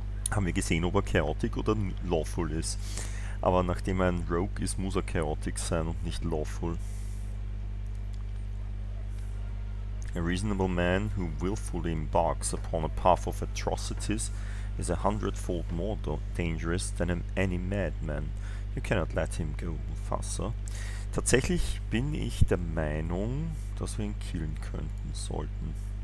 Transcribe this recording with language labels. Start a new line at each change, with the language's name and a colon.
German: Haben wir gesehen, ob er chaotic oder lawful ist. Aber nachdem er ein Rogue ist, muss er chaotic sein und nicht lawful.
English: A reasonable man who willfully embarks upon a path of atrocities is a hundredfold more dangerous than any madman. You cannot let him go, Mufasa.
German: Tatsächlich bin ich der Meinung, dass wir ihn killen könnten sollten.